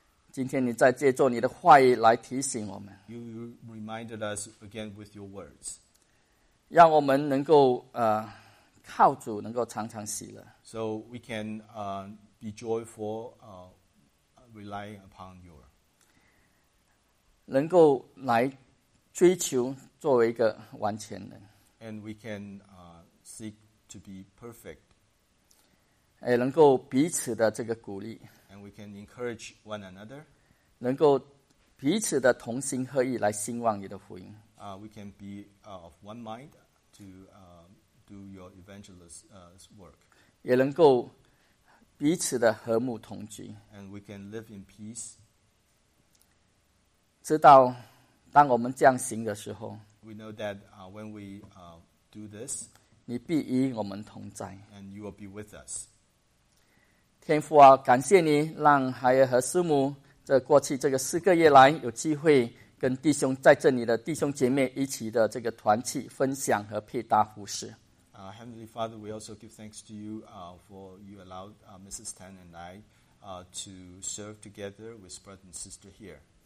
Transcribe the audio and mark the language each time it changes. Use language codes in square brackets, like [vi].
[zh] 今天你在借助你的话语来提醒我们。 [en] You reminded us again with your words. [zh] 让我们能够靠主能够常常喜乐。 [en] So we can be joyful, relying upon you. [zh] 能够来追求作为一个完全人。 [en] And we can seek to be perfect. [zh] 也能够彼此的这个鼓励 [en] ，and we can encourage one another， [zh] 能够彼此的同心合意来兴旺你的福音。 [en] We can be of one mind to do your evangelist's work， [zh] 也能够彼此的和睦同居 [en] ，and we can live in peace。 [zh] 知道当我们这样行的时候 [en] ，we know that when we do this， [zh] 你必与我们同在 [en] ，and you will be with us。 [zh] 天父啊，感谢你让孩儿和师母这过去这个四个月来有机会跟弟兄在这里的弟兄姐妹一起的这个团契分享和配搭服事。 [en] Heavenly Father, we also give thanks to you for you allowed Mrs. Tan and I to serve together with brother and sister here.